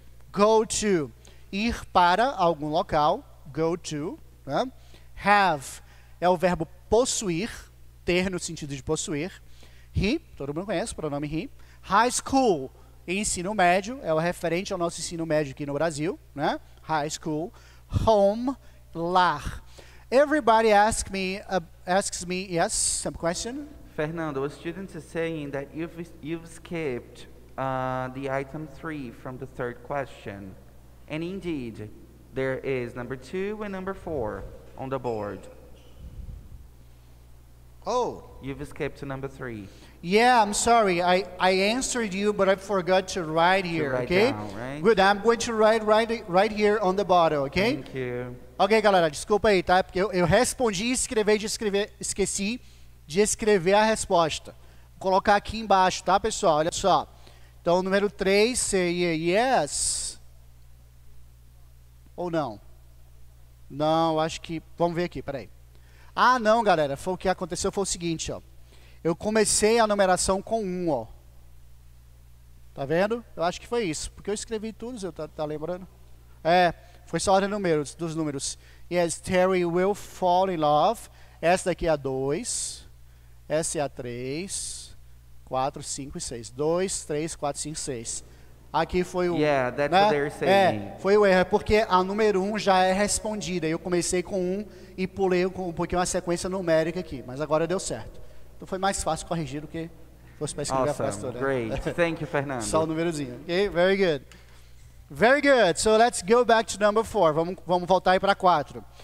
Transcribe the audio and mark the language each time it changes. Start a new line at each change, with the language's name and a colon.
Portuguese: Go to, ir para algum local, go to, né? Have é o verbo possuir, ter no sentido de possuir. He, todo mundo conhece, pronome he. High school, ensino médio, é o referente ao nosso ensino médio aqui no Brasil, né?
English: High school. Home, lar. Everybody asks me, yes, some question? Fernando, a student is saying that you've skipped the item 3 from the third question. And indeed, there is number 2 and number 4 on the board. Oh. You've skipped to number 3. Yeah, I'm sorry. I answered you, but I forgot to write here, to write okay? Down, right? Good, I'm going to write right here on the bottom, okay? Thank you.
Portuguese: Ok, galera, desculpa aí, tá? Porque eu respondi e escrevi de escrever, esqueci de escrever a resposta. Vou colocar aqui embaixo, tá, pessoal? Olha só. Então, número 3 seria yes. Ou não? Não, acho que... Vamos ver aqui, peraí. Ah, não, galera, foi o que aconteceu, foi o seguinte, ó. Eu comecei a numeração com 1, ó. Tá vendo? Eu acho que foi isso. Porque eu escrevi tudo, você tá lembrando? É... Foi só ordem dos números.
English: Yes, Terry will fall in love.
Portuguese: Essa daqui é a 2. Essa é a 3. 4, 5 e 6. 2, 3, 4, 5, 6. Aqui foi o...
English: Yeah, that's né? What they're saying.
Portuguese: É, foi o erro. Porque a número 1 já é respondida. Eu comecei com 1 e pulei um pouquinho a sequência numérica aqui. Mas agora deu certo. Então foi mais fácil corrigir do que fosse para escrever A frase toda.
English: Awesome, great. Thank you, Fernando.
Portuguese: Só o númerozinho.
English: Ok, very good. Very good. So let's go back to number 4.
Portuguese: Vamos voltar aí para 4.